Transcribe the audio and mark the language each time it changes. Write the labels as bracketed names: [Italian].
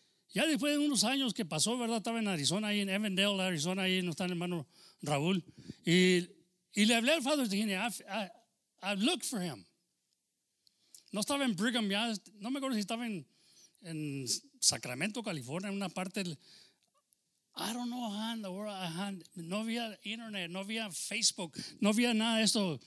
[Spanish] Ya después de unos años que pasó, ¿verdad? Estaba en Arizona, ahí en Evandale, Arizona, ahí no está el hermano Raúl. Y le hablé al Father Tejera. [English] I looked for him. [Spanish] No estaba en Brigham, ya. No me acuerdo si estaba en Sacramento, California, en una parte. [English] I don't know how in the world I had. [Spanish] No había internet, no había Facebook, no había nada de eso.